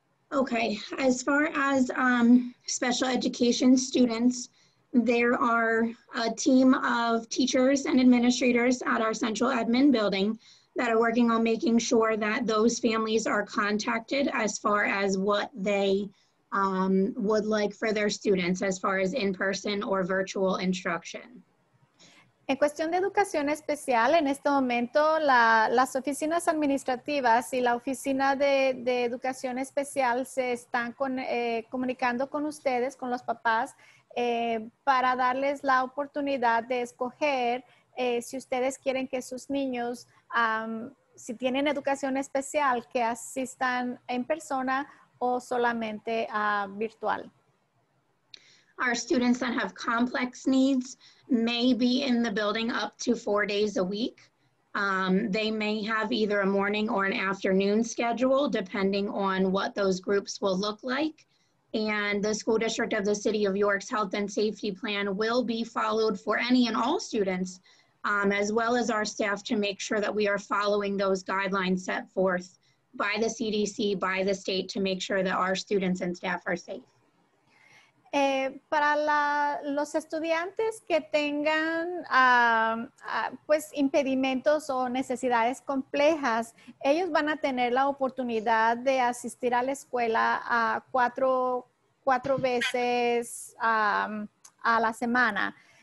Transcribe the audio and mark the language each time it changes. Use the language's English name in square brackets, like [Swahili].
[English] Okay, as far as special education students, there are a team of teachers and administrators at our central admin building that are working on making sure that those families are contacted as far as what they would like for their students as far as in-person or virtual instruction. [Spanish] En cuestión de educación especial, en este momento, las oficinas administrativas y la oficina de educación especial se están comunicando con ustedes, con los papás, para darles la oportunidad de escoger si ustedes quieren que sus niños, si tienen educación especial, que asistan en persona o solamente virtual. [English] Our students that have complex needs may be in the building up to 4 days a week. They may have either a morning or an afternoon schedule depending on what those groups will look like. And the School District of the City of York's Health and Safety Plan will be followed for any and all students, as well as our staff, to make sure that we are following those guidelines set forth by the CDC, by the state, to make sure that our students and staff are safe. [Spanish] Para los estudiantes que tengan pues impedimentos o necesidades complejas, ellos van a tener la oportunidad de asistir a la escuela cuatro veces a la semana.